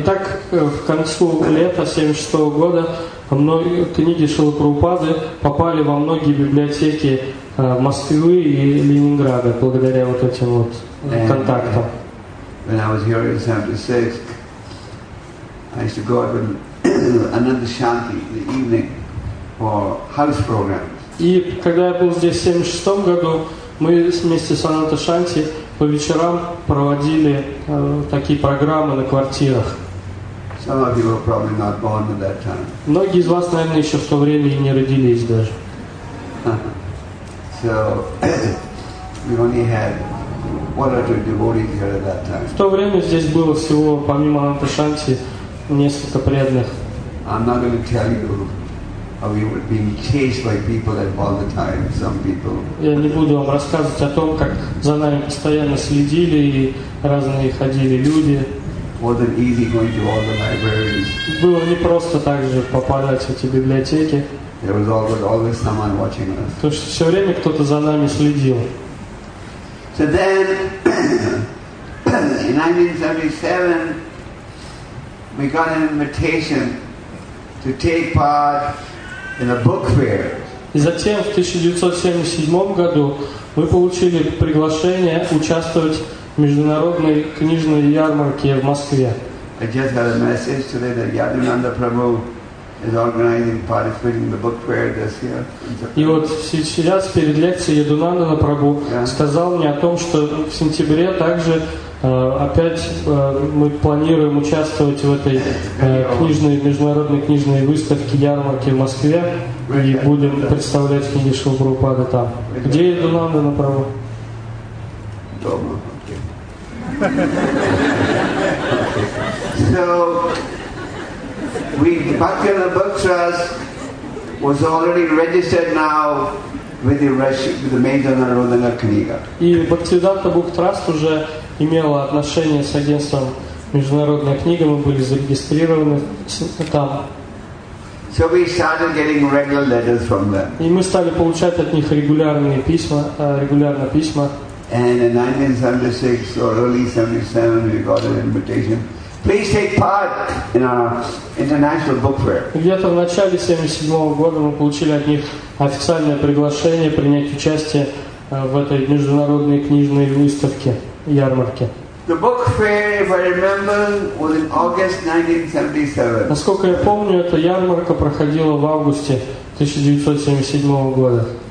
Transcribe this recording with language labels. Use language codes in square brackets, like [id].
[ru] Итак, в конце лета 76 года книги Шрилы Прабхупады попали во многие библиотеки Москвы и Ленинграда благодаря вот этим вот контактам. [en] When I was here in 76, I used to go out with Ananda Shanti in the evening for house programs. [ru] И когда я был здесь в 76 году, мы вместе с Ананда Шанти по вечерам проводили такие программы на квартирах. [en] Some of you were probably not born at that time. [ru] Многие из вас, наверное, еще в то время и не родились даже. [en] So we only had one or two devotees here at that time. [ru] В то время здесь было всего, помимо Ананда Шанти, несколько преданных. [en] I'm not going to tell you how we were being chased by people at all the time, some people. [ru] Я не буду вам рассказывать о том, как за нами постоянно следили и разные ходили люди. [en] Wasn't easy going to all the libraries. [ru] Было не просто также попадать в эти библиотеки. [en] There was always someone watching us. [ru] То есть все время кто-то за нами следил. [en] So then, in 1977. We got an invitation to take part in a book fair. [ru] И затем в 1977 году мы получили приглашение участвовать в международной книжной ярмарке в Москве. [en] I just got a message today that Yadunanda Prabhu is organizing participating in the book fair this year. [ru] И вот сейчас перед лекцией Ядунанда Прабху сказал мне о том, что в сентябре также Опять мы планируем участвовать в этой книжной, международной книжной выставке, ярмарке в Москве, и будем представлять книги Шрилы Прабхупады там. Где еду нам на право? Дома. [en] So, we Bhaktivinoda Book Trust was already registered now with the Major Narodana Kniga. [ru] И Бхактивинода Book Trust уже имела отношение с агентством Международная книга, мы были зарегистрированы там. [en] So we started getting regular letters from them. [ru] И мы стали получать от них регулярные письма, регулярные письма. [en] And in 1976 or early 77, we got an invitation. Please take part in our international book fair. [ru] Где-то в начале 77 года мы получили от них официальное приглашение принять участие в этой международной книжной выставке, ярмарке. [en] The book fair, if I remember, was in August 1977. [ru] Насколько я помню, эта ярмарка проходила в августе 1977 года.